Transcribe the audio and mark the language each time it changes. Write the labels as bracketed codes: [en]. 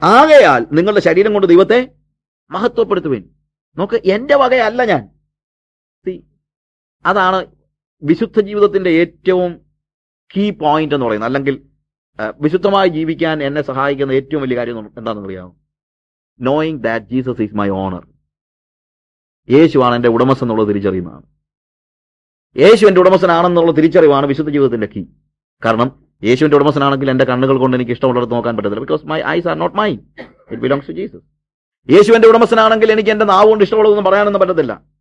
[ml] ആകയാൽ നിങ്ങളുടെ ശരീരം കൊണ്ട് ദൈവത്തെ മഹത്വപ്പെടുത്തുവിൻ. നോക്ക്, എന്റെ വകയല്ല ഞാൻ. അതാണ് വിശുദ്ധ ജീവിതത്തിന്റെ ഏറ്റവും കീ പോയിന്റ് എന്ന് പറയുന്നത്. അല്ലെങ്കിൽ വിശുദ്ധമായി ജീവിക്കാൻ എന്നെ സഹായിക്കുന്ന ഏറ്റവും വലിയ കാര്യം എന്താണെന്ന് അറിയാമോ? [en] Knowing that Jesus is my owner. [ml] യേശുവാണ് എൻ്റെ ഉടമസ്ഥൻ എന്നുള്ള തിരിച്ചറിയുന്നതാണ്. യേശു എൻ്റെ ഉടമസ്ഥനാണെന്നുള്ള തിരിച്ചറിവാണ് വിശുദ്ധ ജീവിതത്തിന്റെ കീ. കാരണം യേശുവിൻ്റെ ഉടമസ്ഥനാണെങ്കിൽ എൻ്റെ കണ്ണുകൾ കൊണ്ട് എനിക്ക് ഇഷ്ടമുള്ളിടത്ത് നോക്കാൻ പറ്റത്തില്ല. [en] Because my eyes are not mine, it belongs to Jesus. [ml] യേശു എൻ്റെ ഉടമസ്ഥനാണെങ്കിൽ എനിക്ക് എൻ്റെ നാവ് കൊണ്ട് ഇഷ്ടമുള്ളതൊന്നും പറയാനൊന്നും പറ്റത്തില്ല.